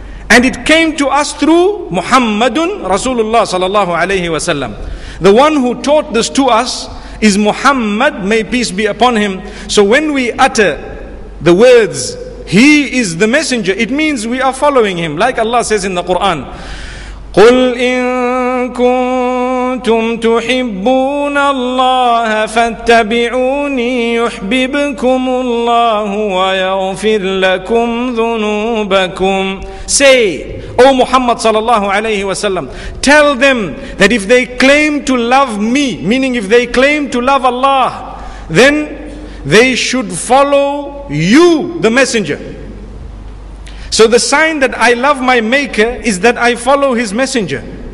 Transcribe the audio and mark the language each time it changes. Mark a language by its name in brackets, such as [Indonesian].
[English] And it came to us through Muhammadun Rasulullah sallallahu alayhi wa sallam. The one who taught this to us is Muhammad, may peace be upon him. So when we utter the words, he is the messenger, it means we are following him. Like Allah says in the Quran, [Arabic] قُلْ إِن كُنْتُمْ تُحِبُّونَ اللَّهَ فَاتَّبِعُونِي يُحْبِبْكُمُ اللَّهُ وَيَغْفِرْ لَكُمْ ذُنُوبَكُمْ. [English] Say, O Muhammad sallallahu alayhi wa sallam, tell them that if they claim to love me, meaning if they claim to love Allah, then they should follow you, the messenger. So the sign that I love my maker is that I follow his messenger.